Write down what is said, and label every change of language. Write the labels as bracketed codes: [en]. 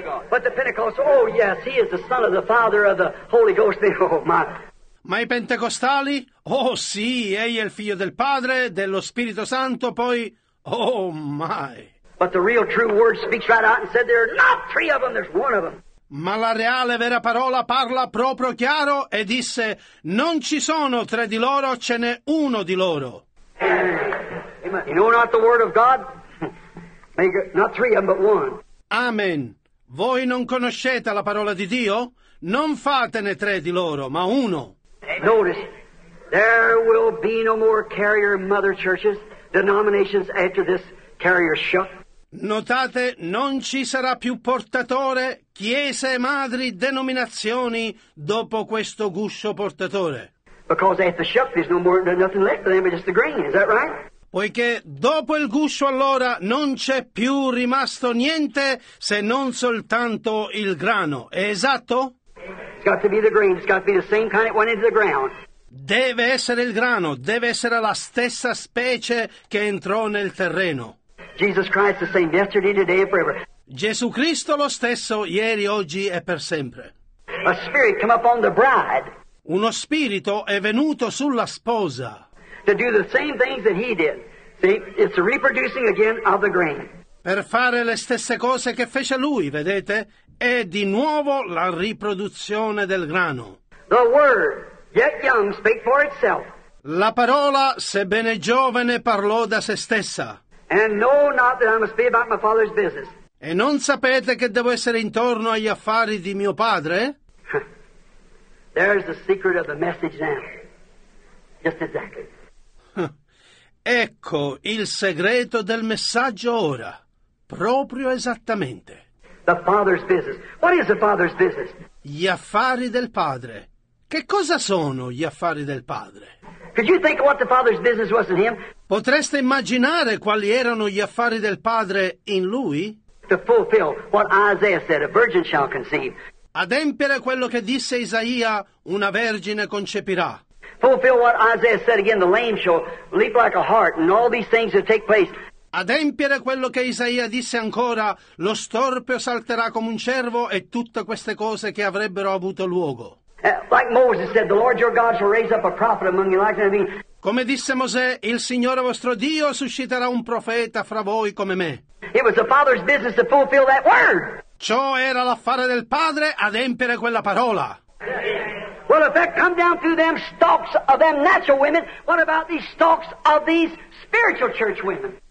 [en] But the Pentecost, oh yes, he is the son of the Father of the Holy Ghost. Oh my. [it] Ma i pentecostali? Oh sì, egli è il figlio del Padre, dello Spirito Santo, poi [en] oh my. But the real true word speaks right out and said there are not three of them, there's one of them. [it] Ma la reale vera parola parla proprio chiaro e disse, non ci sono tre di loro, ce n'è uno di loro. [en] You know not the word of God? Not three of them, but one. Amen. [it] Voi non conoscete la parola di Dio? Non fatene tre di loro, ma uno. [en] Notice, there will be no more carrier mother churches, denominations after this carrier shut. [it] Notate, non ci sarà più portatore, chiese, madri, denominazioni dopo questo guscio portatore. [en] Because at the shuck there's no more nothing left for them but just the grain, is that right? [it] Poiché dopo il guscio allora non c'è più rimasto niente se non soltanto il grano, è esatto? [en] It's got to be the grain, it's got to be the same kind that went into the ground. [it] Deve essere il grano, deve essere la stessa specie che entrò nel terreno. [en] Jesus Christ the same yesterday, today and forever. [it] Gesù Cristo lo stesso ieri, oggi e per sempre. [en] A spirit come upon the bride. [it] Uno spirito è venuto sulla sposa. [en] To do the same things that he did. It's reproducing again of the grain. [it] Per fare le stesse cose che fece lui, vedete, è di nuovo la riproduzione del grano. [en] The word, yet young, spake for itself. [it] La parola, sebbene giovane, parlò da se stessa. [en] And know not that I must be about my father's business. [it] E non sapete che devo essere intorno agli affari di mio padre? [en] There's the secret of the message now. Just exactly. [it] Ecco il segreto del messaggio ora. Proprio esattamente. [en] The father's business. What is the father's business? [it] Gli affari del padre. Che cosa sono gli affari del padre? [en] Could you think what the father's business was in him? [it] Potreste immaginare quali erano gli affari del padre in lui? [en] To fulfill what Isaiah said, a virgin shall conceive. [it] Adempiere quello che disse Isaia, una vergine concepirà. [en] Fulfill what Isaiah said again, the lame shall leap like a hart, and all these things will take place. [it] Adempiere quello che Isaia disse ancora, lo storpio salterà come un cervo e tutte queste cose che avrebbero avuto luogo. [en] Like Moses said, the Lord your God shall raise up a prophet among you like me. [it] Come disse Mosè, il Signore vostro Dio susciterà un profeta fra voi come me. [en] It was the Father's business to fulfill that word. [it] Ciò era l'affare del Padre, adempiere quella parola. [en] Well, if that come down through them stalks of them natural women, what about these stalks of these spiritual church women?